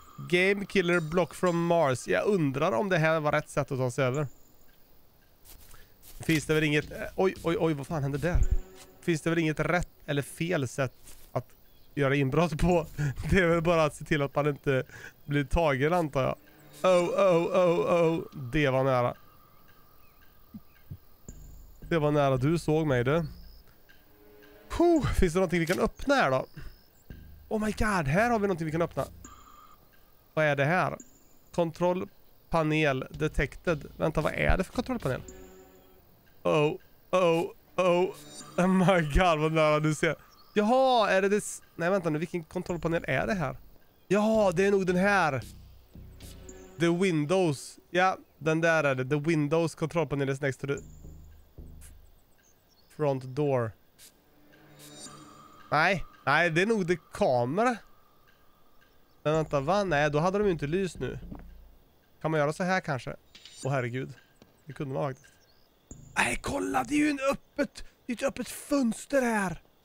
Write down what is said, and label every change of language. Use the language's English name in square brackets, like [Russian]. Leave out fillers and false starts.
[English] Game Killer Block from Mars. [Swedish] Jag undrar om det här var rätt sätt att ta sig över. Finns det väl inget... Oj, vad fan hände där? Finns det väl inget rätt eller fel sätt att göra inbrott på? Det är väl bara att se till att man inte blir tagen, antar jag. Oh. Det var nära. Det var nära du såg mig, du. Puh, finns det någonting vi kan öppna här då? [English] Oh my god, [Swedish] här har vi någonting vi kan öppna. Vad är det här? Kontrollpanel detected. Vänta, vad är det för kontrollpanel? Oh. [English] Oh my god, [Swedish] vad nära du ser. Jaha, är det det... Nej, vänta nu, vilken kontrollpanel är det här? Ja, det är nog den här. The Windows. Ja, den där är det. [English] The Windows kontrollpanel is next to the front door. [Swedish] Nej, nej, det är nog det kamera. Men vänta, va? Nej, då hade de ju inte lys nu. Kan man göra så här kanske? Åh, herregud. Det kunde man faktiskt. Nej, kolla! Det är ju en öppet, det är ett öppet fönster här!